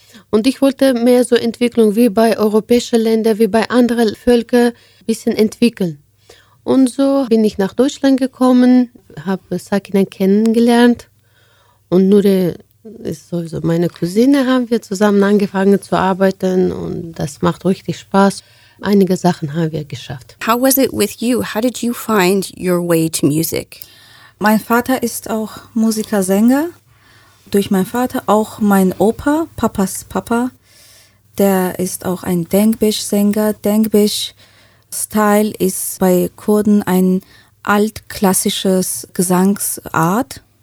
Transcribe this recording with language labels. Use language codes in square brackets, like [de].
[de] Und ich wollte mehr so Entwicklung wie bei europäischen Ländern, wie bei anderen Völkern ein bisschen entwickeln. Und so bin ich nach Deutschland gekommen, habe Sakina kennengelernt und Nure ist sowieso meine Cousine, haben wir zusammen angefangen zu arbeiten und das macht richtig Spaß. Einige Sachen haben wir geschafft. [en] How was it with you? How did you find your way to music? [de] Mein Vater ist auch Musiker, Sänger. Durch meinen Vater auch mein Opa, Papas Papa. Der ist auch ein Dengbisch-Sänger. Dengbisch-Style ist bei Kurden ein altklassisches Gesangsart.